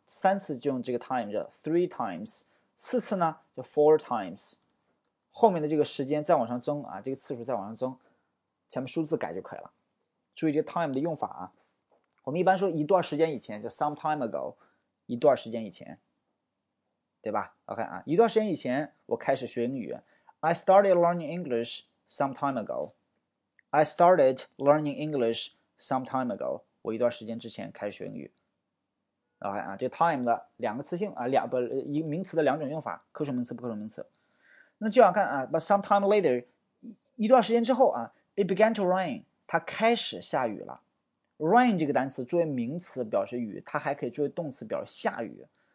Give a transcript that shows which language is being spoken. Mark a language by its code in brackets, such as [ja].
[zh] 三次就用这个 time 叫 three times。四次呢，就 four times，后面的这个时间再往上增啊，这个次数再往上增，前面数字改就可以了。注意这 time 的用法啊，我们一般说一段时间以前，就 [en] some time ago， [zh] 一段时间以前，对吧？OK 啊，一段时间以前我开始学英语， [en] I started learning English some time ago。 I started learning English some time ago。 [zh] 我一段时间之前开始学英语。OK 啊，这 time 的两个词性啊，两不一名词的两种用法，可数名词、不可数名词。那就想看啊， [en] but sometime later， [zh] 一段时间之后啊， [en] it began to rain， [zh] 它开始下雨了。 rain 这个单词作为名词表示雨，它还可以作为动词表示下雨。